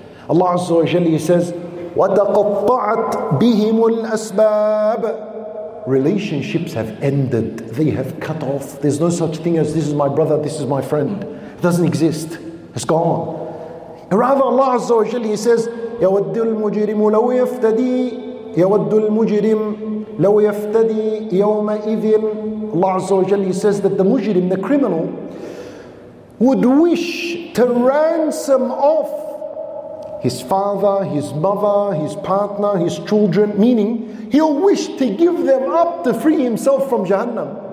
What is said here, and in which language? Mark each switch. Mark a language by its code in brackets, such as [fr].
[en] Allah Azza wa Jalla says, [ar] وَتَقَطَّعَتْ بِهِمُ الْأَسْبَابِ. [en] Relationships have ended. They have cut off. There's no such thing as this is my brother, this is my friend. It doesn't exist. It's gone. And rather, Allah Azza wa Jalla says, [ar] يَوَدُّ الْمُجْرِمُ لَوْ يَفْتَدِي يَوَدُّ الْمُجْرِمُ لَوْ يَفْتَدِي يَوْمَئِذٍ. [en] Allah Azza wa Jalla says that the mujrim, the criminal, would wish to ransom off his father, his mother, his partner, his children, meaning he'll wish to give them up to free himself from Jahannam.